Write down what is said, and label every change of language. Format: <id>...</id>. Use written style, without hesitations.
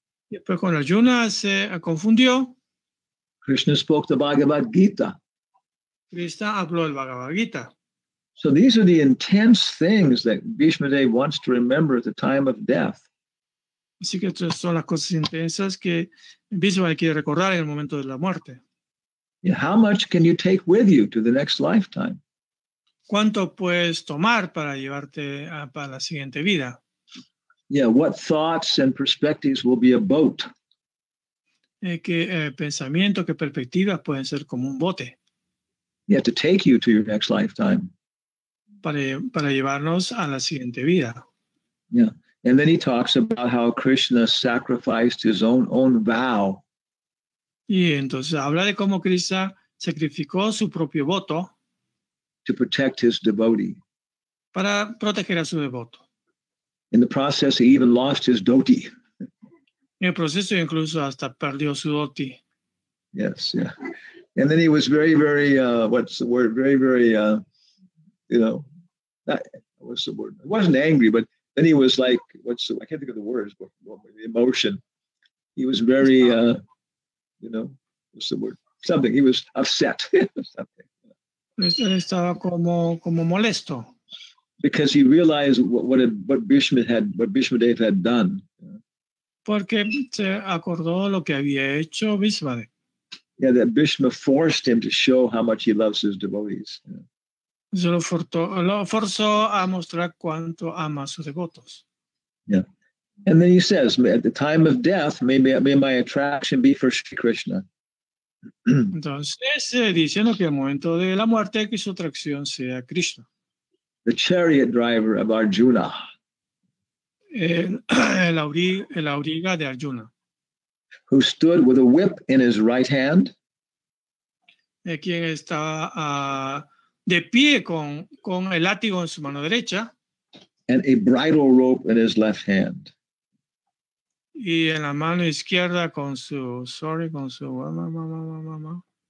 <es>Y después cuando Arjuna se confundió.</es> <en>Krishna spoke the Bhagavad Gita.</en> <es>Krishna habló el Bhagavad Gita.</es> <en>So these are the intense things that Bhishma Dev wants to remember at the time of death.</en> <es>Así que estas son las cosas intensas que Bhishma quiere recordar en el momento de la muerte.</es> <en>Yeah, how much can you take with you to the next lifetime?</en> <es>¿Cuánto puedes tomar para llevarte para la siguiente vida?</es> <en>Yeah, what thoughts and perspectives will be a boat?</en> <es>¿Qué pensamiento, qué perspectivas pueden ser como un bote?</es> <en>Yeah, to take you to your next lifetime.</en> <es>Para llevarnos a la siguiente vida.</es> <en>Yeah, and then he talks about how Krishna sacrificed his own vow.</en> <es>Y entonces habla de cómo Krishna sacrificó su propio voto.</es> <en>To protect his devotee.</en> <es>Para proteger a su devoto.</es> <en>In the process, he even lost his dhoti.</en> <es>En el proceso incluso hasta perdió su dhoti.</es> <en>Yes, yeah. And then he was very, very, what's the word? Very, very, you know, what's the word? He wasn't angry, but then he was like, I can't think of the words, but the emotion. He was very, you know, what's the word? Something. He was upset. Something.</en> <es>Estaba como molesto.</es> <en>Because he realized what Bhishma Dev had done.</en> <es>Porque se acordó lo que había hecho Bhishma Dev.</es> <en>Yeah, that Bhishma forced him to show how much he loves his devotees. Yeah.</en> <es>Se lo forzó a mostrar cuánto ama a sus devotos.</es> <en>Yeah. And then he says, at the time of death, may my attraction be for Sri Krishna.</en> <es>Entonces, diciendo que al momento de la muerte, que su atracción sea Krishna.</es> <en>The chariot driver of Arjuna.</en> <es>El auriga de Arjuna.</es> <en>Who stood with a whip in his right hand?</en> <es>Quien estaba de pie con el látigo en su mano derecha.</es> <en>And a bridle rope in his left hand.</en> <es>Y en la mano izquierda con su mama.</es>